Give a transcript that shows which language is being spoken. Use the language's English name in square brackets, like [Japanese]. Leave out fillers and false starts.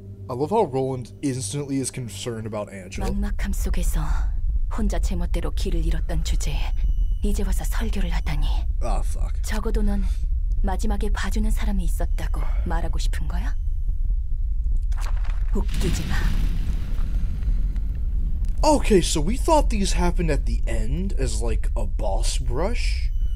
[English] I love how Roland instantly is concerned about Angela. [Korean] 막막함 속에서 혼자 제멋대로 길을 잃었던 주제에 이제 와서 설교를 하다니. [English] Ah, fuck. [Korean] 적어도 넌 마지막에 봐주는 사람이 있었다고 말하고 싶은 거야? 웃기지 마. [English] Okay, so we thought these happened at the end as like a boss brush.